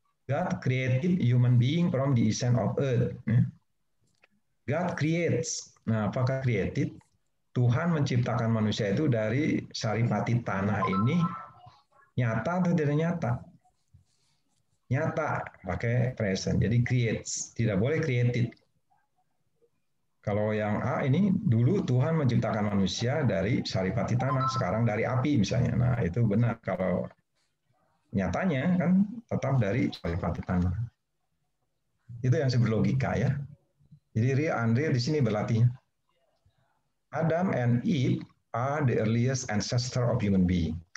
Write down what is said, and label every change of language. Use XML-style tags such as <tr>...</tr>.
<en>God created human being from the essence of earth. God creates.</en> <id>Nah, apakah</id> <en>created?</en> <id>Tuhan menciptakan manusia itu dari saripati tanah ini. Nyata atau tidak nyata? Nyata. Pakai present. Jadi creates. Tidak boleh created. Kalau yang A ini, dulu Tuhan menciptakan manusia dari saripati tanah. Sekarang dari api misalnya. Nah, itu benar. Kalau nyatanya kan tetap dari saripati tanah. Itu yang disebut logika ya. Jadi real unreal di sini berlatihnya.</id> <en>Adam and Eve are the earliest ancestor of human being.</en>